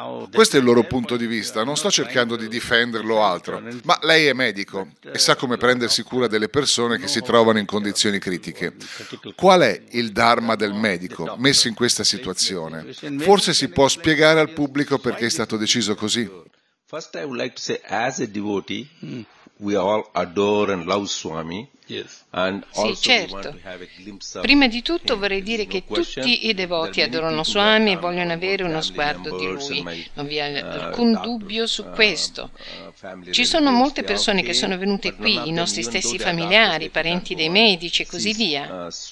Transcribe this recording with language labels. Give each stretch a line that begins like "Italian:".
Italian: Questo è il loro punto di vista, non sto cercando di difenderlo altro. Ma lei è medico e sa come prendersi cura delle persone che si trovano in condizioni critiche. Qual è il Dharma del medico messo in questa situazione? Forse si può spiegare al pubblico perché è stato deciso così?
English: First I would like to say, as a devotee, we all adore and love Swami.
Italian: Sì, certo. Prima di tutto vorrei dire che tutti i devoti adorano Swami e vogliono avere uno sguardo di Lui. Non vi è alcun dubbio su questo. Ci sono molte persone che sono venute qui, i nostri stessi familiari, parenti dei medici e così via.